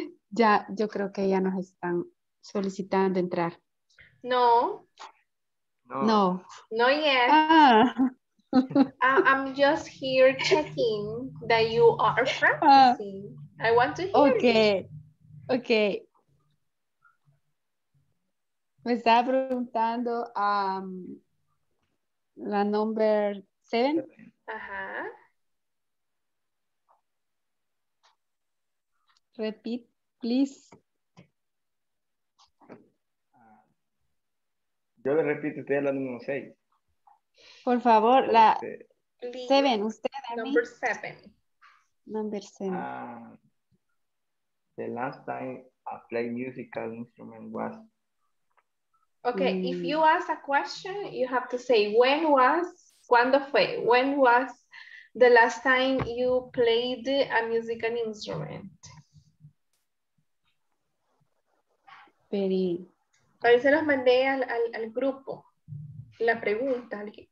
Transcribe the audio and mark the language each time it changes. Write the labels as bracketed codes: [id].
[es] Ya, yo creo que ya nos están solicitando entrar. No. No. [en] No. Not yet. Ah. I'm just here checking that you are practicing. I want to hear Okay. [es] Me estaba preguntando la [en] number 7. [es] Ajá. [en] Repeat, please. [es] Yo le repito, usted es la número 6. Por favor, la 7, usted. [en] Number 7. Number 7. The last time I played musical instrument was. Okay, if you ask a question, you have to say, when was, [es] cuando fue, [en] when was the last time you played a musical instrument? Peri. [es] A veces los mandé al grupo, la pregunta.